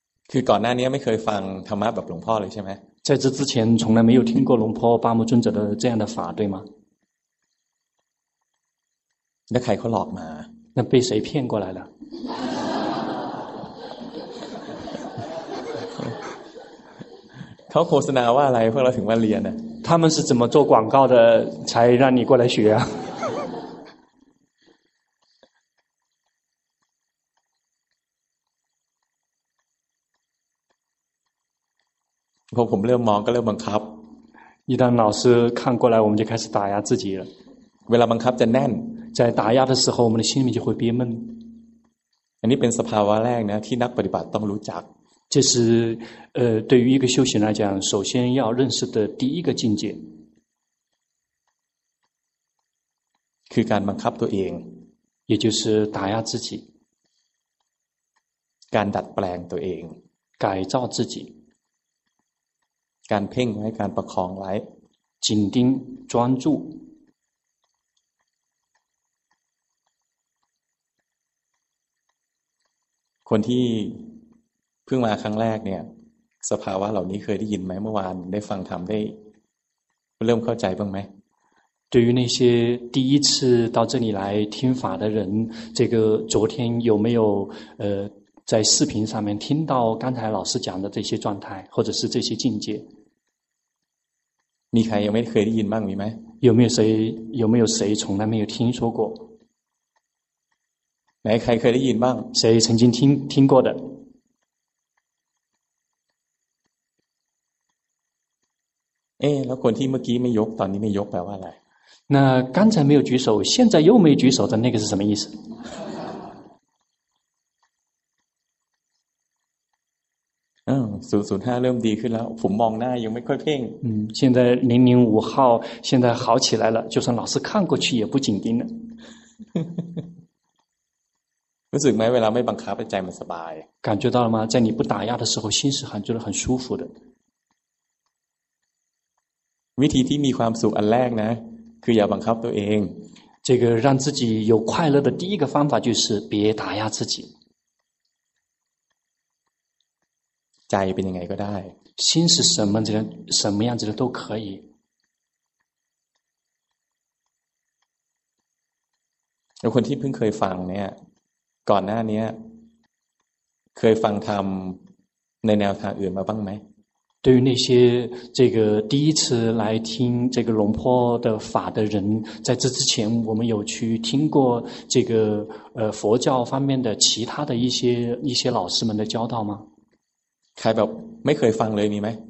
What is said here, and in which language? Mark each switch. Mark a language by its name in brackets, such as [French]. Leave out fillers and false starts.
[Thai] คือก่อนหน้านี้ไม่เคยฟังธรรมะแบบหลวงพ่อเลยใช่ไหม [Chinese] 在这之前从来没有听过龙婆巴木尊者的这样的法对吗 [Thai] นักใครเขาหลอกมา [Chinese] 那被谁骗过来了 [Thai] เขาโฆษณาว่าอะไรเพื่อเราถึงมาเรียนน่ะ [Chinese] 他们是怎么做广告的才让你过来学啊 [Thai] พอผมเริ่มมองก็เริ่มบังคับ [Chinese] 一旦老师看过来我们就开始打压自己了 [Thai] เวลาบังคับจะแน่น [Chinese] 在打压的时候我们的心里面就会憋闷 [Thai] อันนี้เป็นสภาวะแรกนะที่นักปฏิบัติต้องรู้จัก [Chinese] 这是对于一个修行来讲首先要认识的第一个境界 [Thai] คือการบังคับตัวเอง [Chinese] 也就是打压自己 [Thai] การดัดแปลงตัวเอง [Chinese] 改造自己 [Thai] การเพ่งไว้การประคองไว้จิ้นดิ้งจ้วนจู่คนที่เพิ่งมาครั้งแรกเนี่ยสภาวะเหล่านี้เคยได้ยินไหมเมื่อวานได้ฟังธรรมได้เริ่มเข้าใจบ้างไหม [Chinese] 对于那些第一次到这里来听法的人这个昨天有没有在视频上面听到刚才老师讲的这些状态或者是这些境界 [Thai] มีใครยังไม่เคยได้ยินบ้างมีไหม [Chinese] 有没有谁从来没有听说过 [Thai] ไหนใครเคยได้ยินบ้าง [Chinese] 谁曾经听过的 [Thai] เอ๊ะแล้วคนที่เมื่อกี้ไม่ยกตอนนี้ไม่ยกแปลว่าอะไร [Chinese] 那刚才没有举手现在又没举手的那个是什么意思 [Thai] 005เริ่มดีขึ้นแล้วผมมองหน้ายังไม่ค่อยเพ่ง [Chinese] 现在005号现在好起来了就算老师看过去也不紧盯了 [Thai] รู้สึกไหมเวลาไม่บังคับใจมันสบาย [Chinese] 感觉到了吗在你不打压的时候心是很觉得很舒服的 [Thai] วิธีที่มีความสุขอันแรกนะคืออย่าบังคับตัวเอง [Chinese] 这个让自己有快乐的第一个方法就是别打压自己 [Thai] ใจเป็นยังไงก็ได้ [Chinese] 心是什么的什么样子的都可以 [Thai] แล้วคนที่เพิ่งเคยฟังเนี่ยก่อนหน้านี้เคยฟังธรรมในแนวทางอื่นมาบ้างไหม [Chinese] 对于那些这个第一次来听这个龙婆的法的人在这之前我们有去听过这个佛教方面的其他的一些老师们的教导吗 [Thai] ใครแบบไม่เคยฟังเลยมีไหม